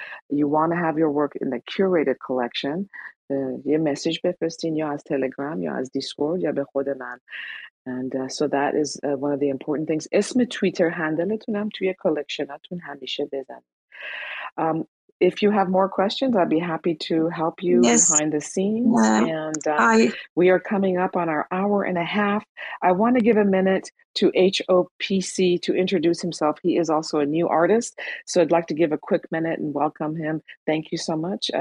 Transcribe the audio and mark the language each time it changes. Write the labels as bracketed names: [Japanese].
[English] You want to have your work in the curated collection. [Persian] یه مسیج بفرستین یا از تلگرام یا از دیسکورد یا به خود من. [English] And so that is one of the important things. [Persian] اسم تویتر هندلتونم توی کلکشناتون همیشه بزن. [English] If you have more questions, I'd be happy to help you behind the scenes. We are coming up on our hour and a half. I want to give a minute to HOPC to introduce himself. He is also a new artist. So I'd like to give a quick minute and welcome him. Thank you so much.